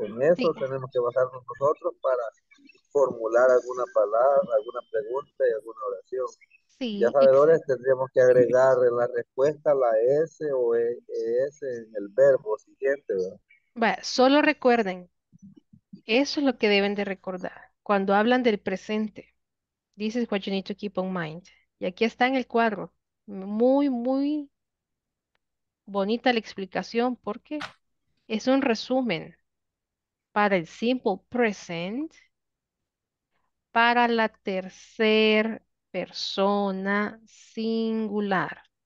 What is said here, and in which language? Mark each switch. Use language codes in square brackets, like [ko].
[es] En eso tenemos que basarnos nosotros para formular alguna palabra, alguna pregunta y alguna oración. Sí, ya sabedores, tendríamos que agregar en la respuesta la S o ES en el verbo siguiente, ¿verdad? Vaya, solo recuerden. Eso es lo que deben de recordar. Cuando hablan del presente, [en] this is what you need to keep in mind. [es] Y aquí está en el cuadro. Muy, muy bonita la explicación porque es un resumen para el simple present, para la tercera persona singular.